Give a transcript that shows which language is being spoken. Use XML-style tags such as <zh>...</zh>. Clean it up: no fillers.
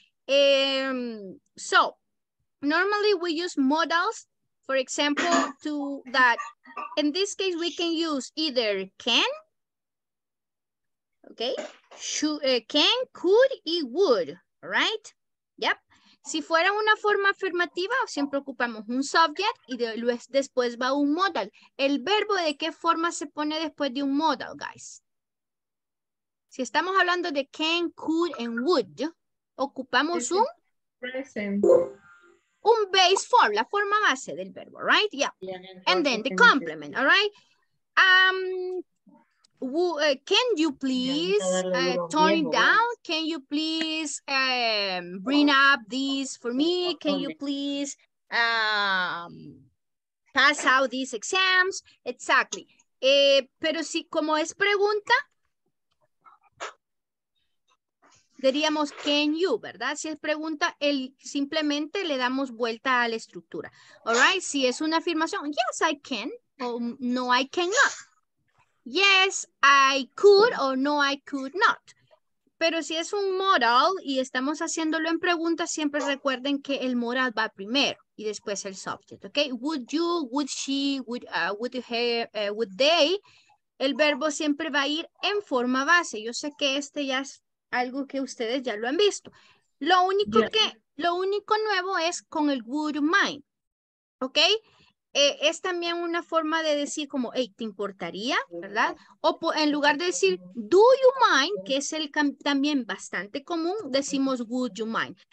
<en>So normally we use modals, for example, to that. In this case, we can use either can, okay? Can, could, y would, all right? Yep.</en> <es>Si fuera una forma afirmativa, siempre ocupamos un subject y después va un modal. ¿El verbo de qué forma se pone después de un modal, guys? Si estamos hablando de</es> <en>can, could, and would,</en> <es>ocupamos un</es> <en>present.</en> <es>Un</es> <en>base form,</en> <es>la forma base del verbo,</es> <en>right? Yeah. And then the complement, all right? Can you please turn it down? Can you please bring up these for me? Can you please pass out these exams? Exactly.</en> <es>Pero si como es pregunta, diríamos</es> <en>can you,</en> <es>¿verdad? Si es pregunta, el simplemente le damos vuelta a la estructura.</es> <en>All right,</en> <es>si es una afirmación,</es> <en>yes, I can,</en> <es>o no,</es> <en>I cannot. Yes, I could,</en> <es>o no,</es> <en>I could not.</en> <es>Pero si es un modal y estamos haciéndolo en pregunta, siempre recuerden que el modal va primero y después el subject, ¿ok?</es> <en>Would you, would she, would her, would they,</en> <es>el verbo siempre va a ir en forma base. Yo sé que este ya es algo que ustedes ya lo han visto. Lo único que, lo único nuevo es con el would mind. ¿Ok? Es también una forma de decir como, hey, ¿te importaría? ¿Verdad? O en lugar de decir,</es> <en>do you mind,</en> <es>que es el también bastante común, decimos</es> <en>would you mind.</en>